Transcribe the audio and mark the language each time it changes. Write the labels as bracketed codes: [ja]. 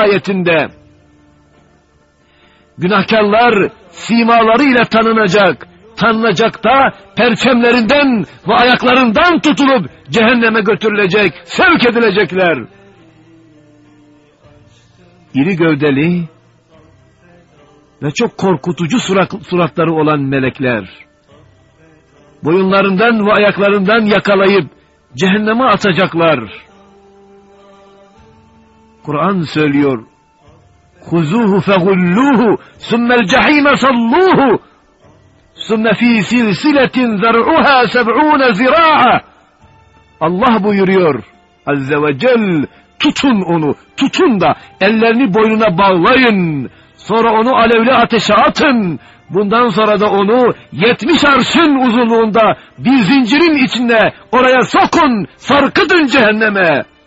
[tr] ayetinde, günahkarlar simaları ile tanınacak, tanınacak da perçemlerinden ve ayaklarından tutulup cehenneme götürülecek, sevk edilecekler. İri gövdeli ve çok korkutucu suratları olan melekler, boyunlarından ve ayaklarından yakalayıp cehenneme atacaklar. Kur'an söylüyor, [ar] خُزُوهُ فَغُلُّوهُ سُمَّ الْجَح۪يمَ صَلُّوهُ سُمَّ ف۪ي سِلْسِلَةٍ ذَرْعُهَا سَبْعُونَ زِرَاعَ. [tr] Allah buyuruyor Azze ve Celle, tutun onu, tutun da ellerini boynuna bağlayın, sonra onu alevli ateşe atın. Bundan sonra da onu 70 arşın uzunluğunda bir zincirin içine oraya sokun, sarkıdın cehenneme.